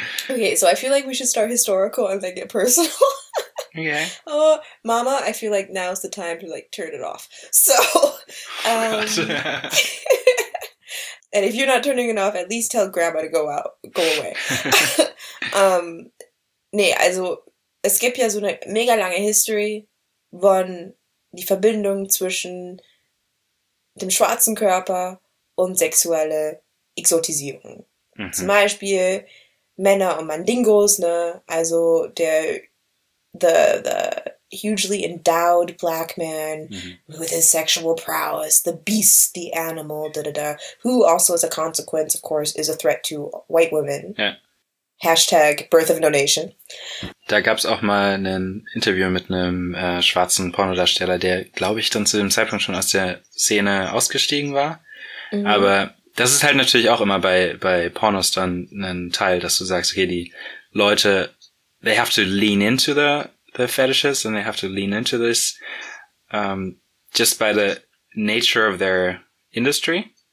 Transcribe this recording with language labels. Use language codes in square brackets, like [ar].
[en] Okay, so I feel like we should start historical and then get personal. Okay. Oh, mama, I feel like now's the time to, like, turn it off. So, and if you're not turning it off, at least tell grandma to go away. [de] nee, also, es gibt ja so eine mega lange History von die Verbindung zwischen dem schwarzen Körper und sexuelle Exotisierung. Zum Beispiel Männer und Mandingos, ne? [en] Also the hugely endowed black man with his sexual prowess, the beast, the animal, da da da, who also as a consequence, of course, is a threat to white women. Yeah. Hashtag birth of no nation. [de] da gab es auch mal ein Interview mit einem schwarzen Pornodarsteller, der, glaube ich, dann zu dem Zeitpunkt schon aus der Szene ausgestiegen war. Mhm. Aber das ist halt natürlich auch immer bei Pornos dann ein Teil, dass du sagst, okay, die Leute, [en] they have to lean into the fetishes and they have to lean into this just by the nature of their industry.